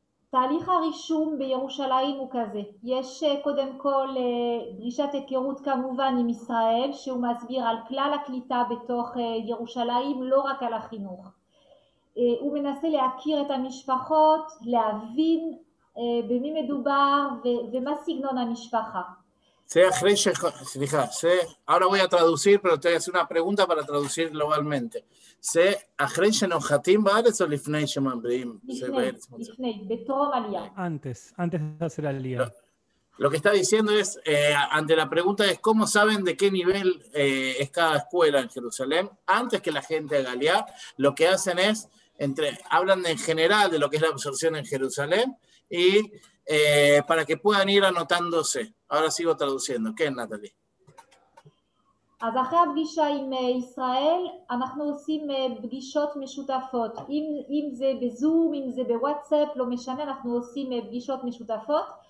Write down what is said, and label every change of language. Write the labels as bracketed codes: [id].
[he] תהליך הרישום בירושלים הוא כזה, יש קודם כל דרישת היכרות כמובן עם ישראל שהוא מסביר על כלל הקליטה בתוך ירושלים, לא רק על החינוך. הוא מנסה להכיר את המשפחות, להבין במי מדובר ומה סגנון המשפחה. זה אחרי ש... סליחה, זה... [es] ahora voy a traducir, pero te voy a hacer una pregunta para traducir globalmente. [he] זה אחרי שנוחתים בארץ או לפני שמבריאים? לפני, בטרום עלייה. [es] Antes de hacer עלייה. Lo que está diciendo es, ante la pregunta es, ¿cómo saben de qué nivel es cada escuela en Jerusalén? Antes que la gente haga aliá, lo que hacen es, hablan en general de lo que es la absorción en Jerusalén, y para que puedan ir anotándose. Ahora sigo traduciendo. ¿Qué es, Natalie? [he] אז אחרי הפגישה עם ישראל, אנחנו עושים פגישות משותפות. אם זה בזום, אם זה בוואטסאפ, לא משנה, אנחנו עושים פגישות משותפות.